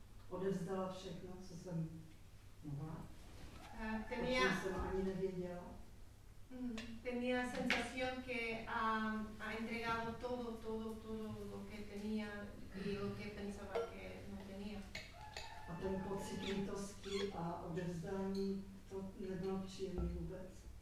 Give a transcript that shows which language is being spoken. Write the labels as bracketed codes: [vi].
[cs] Odevzdala všechno, co jsem mohla. Tenía, co jsem ani nevěděla. [es] Tenía sensación que ha entregado todo lo que tenía y lo que pensaba que no tenía. [cs] A ten pocit lítosti a odevzdání, to nebylo příjemné vůbec.